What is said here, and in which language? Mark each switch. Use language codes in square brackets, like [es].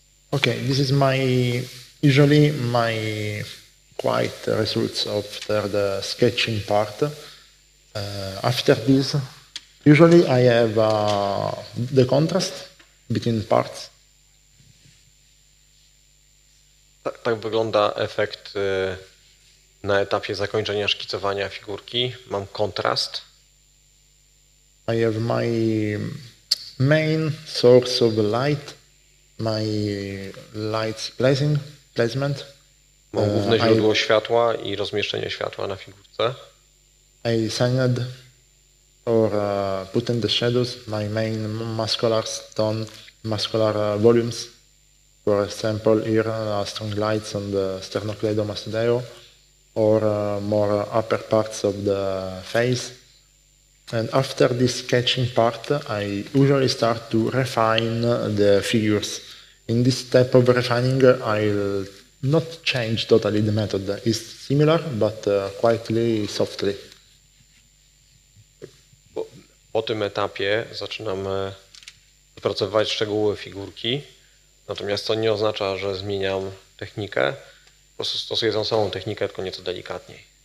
[en] Okay, this is usually my quiet results after the sketching part. After this, usually I have the contrast between parts. [pl] Tak wygląda efekt na etapie zakończenia szkicowania figurki. Mam kontrast. [en] I have my main source of light. My lights placement. [pl] Mam główne źródło światła i rozmieszczenie światła na figurce. [en] I signed or put in the shadows my main muscular tone, muscular volumes. For example, here strong lights on the sternocleidomastoideo or more upper parts of the face. And after this sketching part, I usually start to refine the figures. In this step of refining, I'll not change totally the method. It's similar, but quietly, softly. [pl] Po tym etapie zaczynam wypracowywać szczegóły figurki. Natomiast to nie oznacza, że zmieniam technikę. Po prostu stosuję tą samą technikę, tylko nieco delikatniej.